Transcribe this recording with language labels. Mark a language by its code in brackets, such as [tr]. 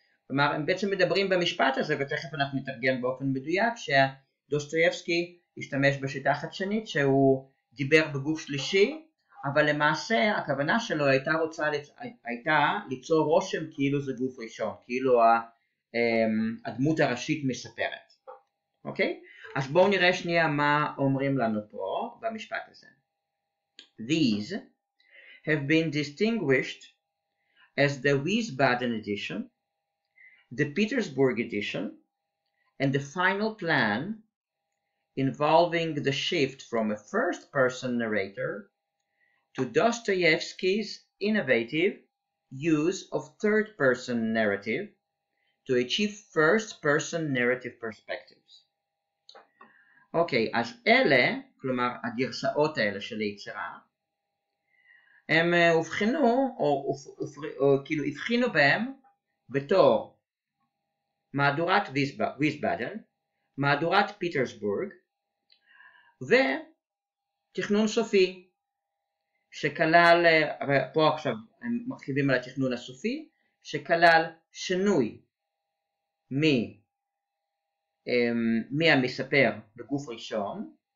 [he] כלומר הם בעצם מדברים במשפט הזה, ותכף אנחנו נתרגם באופן מדויק, שדוסטויבסקי השתמש בשיטה חדשנית שהוא דיבר בגוף שלישי, אבל למעשה הכוונה שלו הייתה רוצה הייתה ליצור רושם כאילו זה גוף ראשון, כאילו הדמות הראשית מספרת. אוקיי? אז בואו נראה שנייה מה אומרים לנו פה במשפט הזה. [en] These have been distinguished as the Wiesbaden edition, the Petersburg edition, and the final plan involving the shift from a first person narrator to Dostoevsky's innovative use of third person narrative to achieve first person narrative perspectives. [he] אוקיי, אז אלה, כלומר הגרסאות האלה של היצירה, הם הבחינו או כאילו הבחינו בהם בתור מהדורת ויסבאדן, מהדורת פיטרסבורג ותכנון סופי שכלל, פה עכשיו הם מרחיבים על התכנון הסופי, שכלל שינוי מי המספר בגוף ראשון